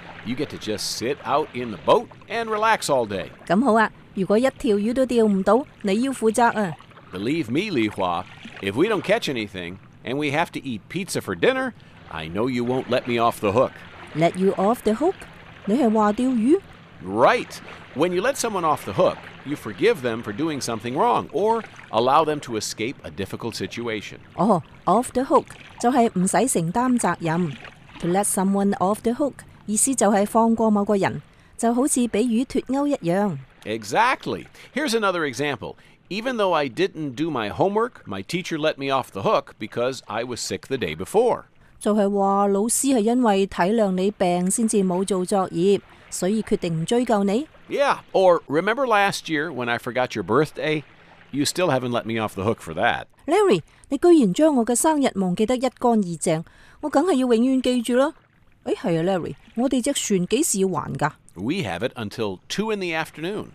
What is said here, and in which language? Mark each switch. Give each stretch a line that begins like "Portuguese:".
English: You get to just sit out in the boat and relax all day.
Cantonese: 咁好啊，如果一条鱼都钓唔到，你要负责啊。
English: Believe me, Li Hua, if we don't catch anything and we have to eat pizza for dinner, I know you won't let me off the hook. Let you off the hook?
Cantonese: 你系话钓鱼？
English: Right. When you let someone off the hook,You forgive them for doing something wrong, or allow them to escape a difficult situation.
Cantonese: Oh, off the hook 就係唔使承擔責任。
English: To let someone off the hook
Cantonese: 意思就係放過某個人，就好似俾魚脱鈎一樣。
English: Exactly. Here's another example. Even though I didn't do my homework, my teacher let me off the hook because I was sick the day before.
Cantonese: 就係話老師係因為體諒你病先至冇做作業，所以决定唔追究你。
English: Yeah, or remember last year when I forgot your birthday? You still haven't let me off the hook for that.
Cantonese: Larry, 你居然将我嘅生日忘记得一干二净，我梗系要永远记住啦。诶，系啊 ，Larry， 我哋只船几时要还噶
English: ？We have it until 2 in the afternoon.